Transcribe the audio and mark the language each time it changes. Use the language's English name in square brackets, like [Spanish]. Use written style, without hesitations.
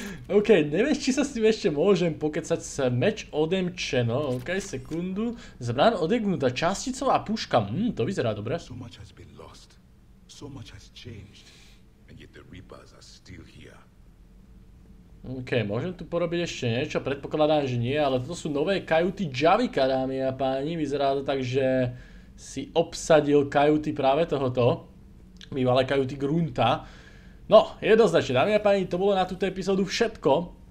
[Slovak] OK, neviem, či sa s tým ešte môžem pokecať. S meč odemčeno. OK, sekundu. Zbraň odegnutá, časticová puška. To vyzerá dobre. [English] So much has been lost. So much has changed. And yet the Reapers are still here. [Slovak] OK, môžem tu porobiť ešte niečo? Predpokladám, že nie, ale toto sú nové kajuty Javika, dámy a páni. Vyzerá to tak, že si obsadil kajuty práve tohoto. Bývalé kajuty Grunta. No, jednoznačne, dámy a páni, to bolo na túto epizódu všetko.